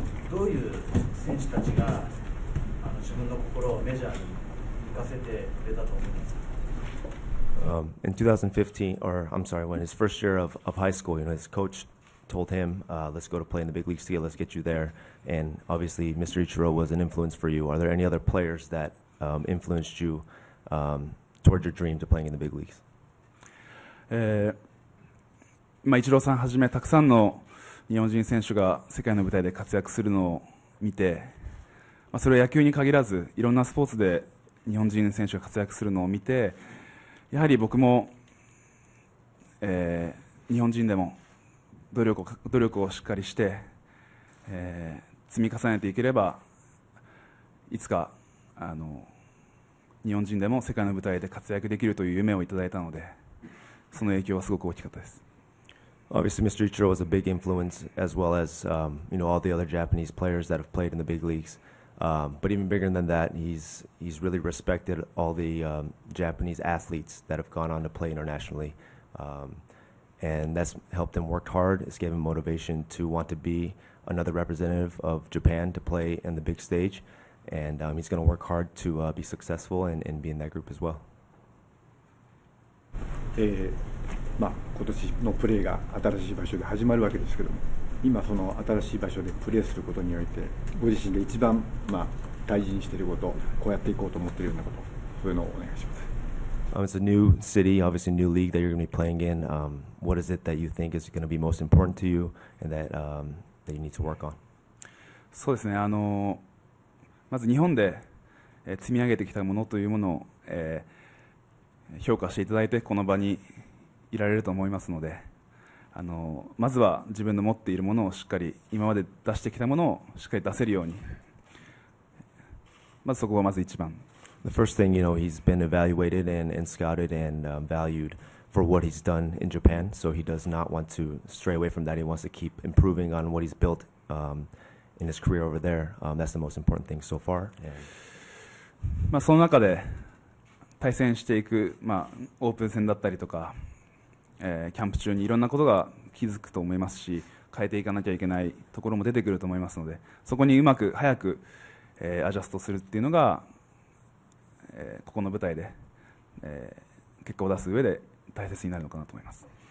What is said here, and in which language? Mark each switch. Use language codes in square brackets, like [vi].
[ja] どういう選手たちが自分の心をメジャーに行かせてくれたと思いますか [en] In 2015, or I'm sorry, when his first year of high school, you know, his coach told him, let's go to play in the big leagues together, let's get you there. And obviously, Mr. Ichiro was an influence for you. Are there any other players that influenced you toward your dream to playing in the big leagues? [ja] Ichiro さんはじめたくさんの日本人選手が世界の舞台で活躍するのを見て、まあ、それは野球に限らずいろんなスポーツで日本人選手が活躍するのを見て、やはり僕も、日本人でも努力をしっかりして、積み重ねていければいつか日本人でも世界の舞台で活躍できるという夢をいただいたので、その影響はすごく大きかったです。 [en] Obviously, Mr. Ichiro was a big influence, as well as all the other Japanese players that have played in the big leagues. But even bigger than that, he's really respected all the Japanese athletes that have gone on to play internationally, and that's helped him work hard. It's given him motivation to want to be another representative of Japan to play in the big stage, and he's going to work hard to be successful and be in that group as well. [ja] まあ、今年のプレーが新しい場所で始まるわけですけども、今その新しい場所でプレーすることにおいて、ご自身で一番まあ大事にしていること、こうやっていこうと思っているようなこと、そういうのをお願いします。 [en] It's a new city, obviously a new league that you're going to be playing in. What is it that you think is going to be most important to you and that, that you need to work on? [ja] そうですね。まず日本で積み上げてきたものというものを、評価していただいて、この場にいられると思いますので、まずは自分の持っているものをしっかり今まで出してきたものをしっかり出せるように、まずそこがまず一番。 [en] The first thing, you know, he's been evaluated and scouted and valued for what he's done in Japan, so he does not want to stray away from that. He wants to keep improving on what he's built in his career over there. That's the most important thing so far. [ja] まあその中で対戦していく、まあオープン戦だったりとか。キャンプ中にいろんなことが気づくと思いますし、変えていかなきゃいけないところも出てくると思いますので、そこにうまく早く、アジャストするっていうのが、ここの舞台で、結果を出す上で大切になるのかなと思います。